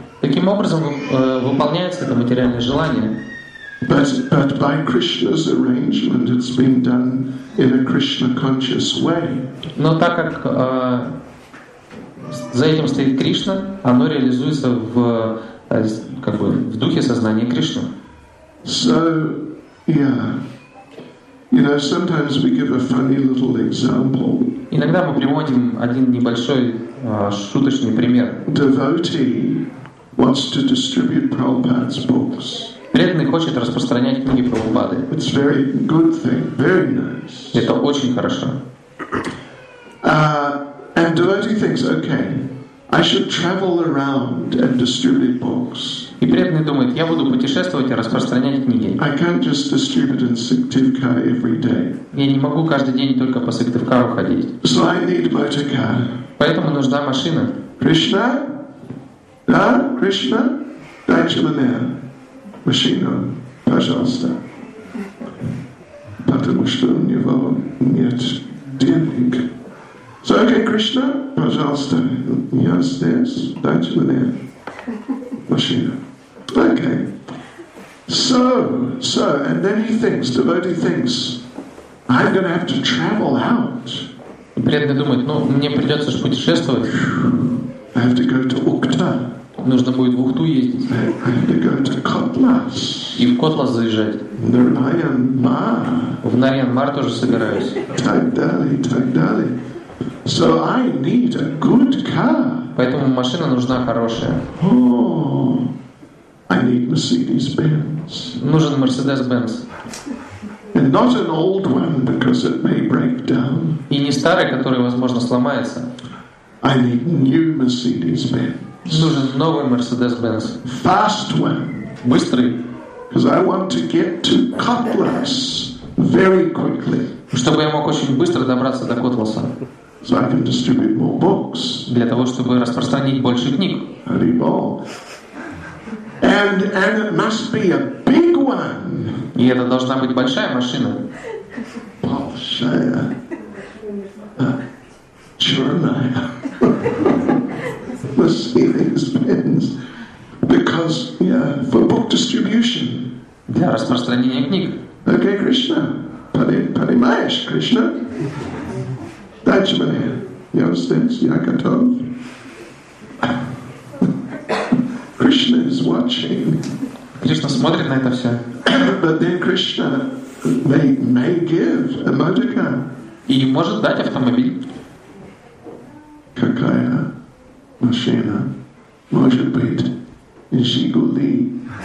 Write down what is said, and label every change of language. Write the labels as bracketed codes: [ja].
[ru] Таким образом выполняется это материальное желание. [en] But by Krishna's arrangement, it's been done in a Krishna-conscious way. [ru] Но так как за этим стоит Кришна, оно реализуется в духе сознания Кришны. [en] So, yeah, You know, sometimes we give a funny little example. [ru] Иногда мы приводим один небольшой шуточный пример. [en] Devotee wants to distribute Prabhupada's books. [ru] Преданный хочет распространять книги Прабхупады. [en] It's very good thing, very nice. [ru] Это очень хорошо. [en] And devotee thinks, okay, I should travel around and distribute books. [ru] И преданный думает, я буду путешествовать и распространять книги. [en] I can't just distribute in Сыктывкар every day. [ru] Я не могу каждый день только по Сыктывкару ходить. [en] So I need motor car. [ru] Поэтому нужна машина. Кришна? Да, Кришна? Дайте мне машину, пожалуйста. Потому что у него нет денег. [en] So, okay, [ru] Krishna, пожалуйста, я здесь, дайте мне машину. [en] Okay. So, and then he thinks, devotee thinks, I'm going to have to travel out. [ru] Преданный думает, ну, мне придется же путешествовать. [en] I have to go to Ukta. [ru] Нужно будет в Ухту ездить. [en] I have to go to Kotlas. [ru] И в Котлас заезжать. Нарьян-Мар. В Нарьян-Мар тоже собираюсь. Так далее. [en] So I need a good car. [ru] Поэтому машина нужна хорошая. [en] Oh, I need Mercedes-Benz. [ru] Нужен Mercedes-Benz. [en] And not an old one because it may break down. [ru] И не старый, который, возможно, сломается. [en] I need new Mercedes-Benz. [ru] Нужен новый Mercedes-Benz. [en] Fast one. [ru] Быстрый. [en] Because I want to get to Kotlas very quickly. [ru] Чтобы я мог очень быстро добраться до Котласа. [en] So I can distribute more books. [ru] Для того, чтобы распространить больше книг. [en] And it must be a big one. [ru] И это должна быть большая машина. Большая. Черная. Mercedes-Benz. [en] Because, yeah, for book distribution. [ru] Для распространения книг. [en] Okay, [ru] Krishna. Понимаешь, Krishna? Дайте мне. Я устанец, я готов. [en] Krishna is watching. [ru] Кришна смотрит на это все. [en] But then Krishna may give a motor car. [ru] И может дать автомобиль. Какая машина может быть в Жигули?